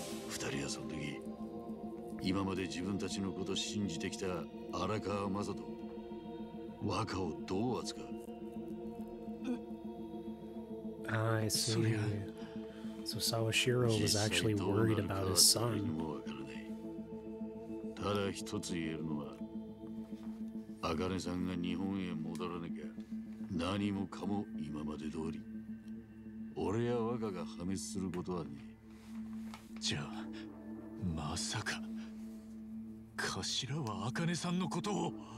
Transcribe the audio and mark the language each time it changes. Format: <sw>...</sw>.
<ja>二人はその時、今まで自分たちのことを信じてきた荒川雅人、若をどう扱う？</ja> <en>I see. So Sawashiro was actually worried about his son.</en> <ja>ただ一つ言えるのは、あかねさんが日本へ戻らなきゃ何もかも今まで通り俺や若が破滅することはね。じゃあまさか頭はあかねさんのことを。</ja>